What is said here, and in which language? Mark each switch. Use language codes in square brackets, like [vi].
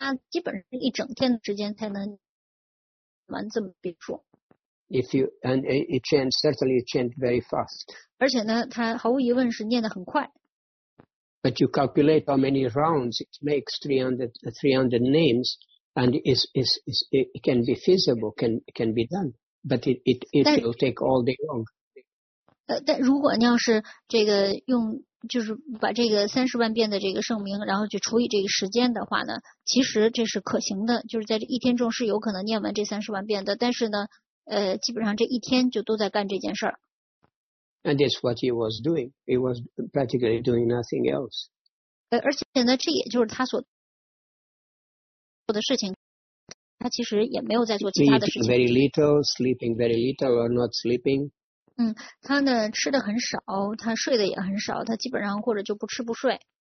[zh] 基本上一整天的时间才能完这么背诵。 [en] It chants very fast. [zh] 而且呢，他毫无疑问是念得很快。 [en] But you calculate how many rounds it makes 300 names, and it can be feasible, can be done. But it will take all day long. [zh] 但如果你要是这个用就是把这个三十万遍的这个圣名，然后去除以这个时间的话呢，其实这是可行的，就是在这一天中是有可能念完这三十万遍的。但是呢，基本上这一天就都在干这件事儿。 [en] And that's what he was doing. He was practically doing nothing else. [zh] 而且呢，这也就是他所做的事情。他其实也没有在做其他的事情。 [en] Eating very little, sleeping very little, or not sleeping. [zh] 他呢吃的很少，他睡的也很少，他基本上或者就不吃不睡。